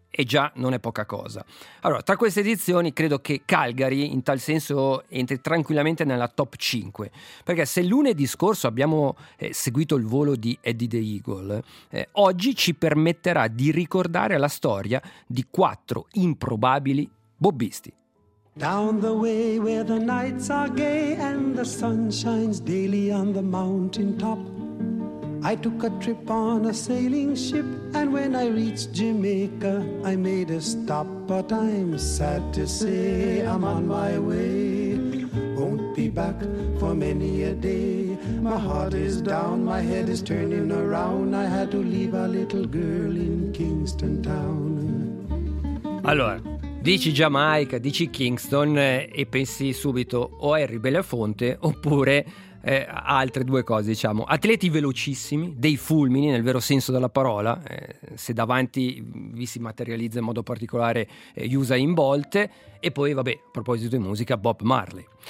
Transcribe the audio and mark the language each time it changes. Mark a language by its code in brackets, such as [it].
[it] E già non è poca cosa. Allora, tra queste edizioni, credo che Calgary, in tal senso, entri tranquillamente nella top 5. Perché se lunedì scorso abbiamo seguito il volo di Eddie the Eagle, oggi ci permetterà di ricordare la storia di quattro improbabili bobbisti. [en] Down the way where the nights are gay and the sun shines daily on the mountain top, I took a trip on a sailing ship, and when I reached Jamaica I made a stop, but I'm sad to say I'm on my way, won't be back for many a day. My heart is down, my head is turning around, I had to leave a little girl in Kingston town. [it] Allora, dici Jamaica, dici Kingston e pensi subito o a Henry Belafonte oppure altre due cose, diciamo, atleti velocissimi, dei fulmini nel vero senso della parola, se davanti vi si materializza in modo particolare Usain Bolt, e poi vabbè, a proposito di musica, Bob Marley.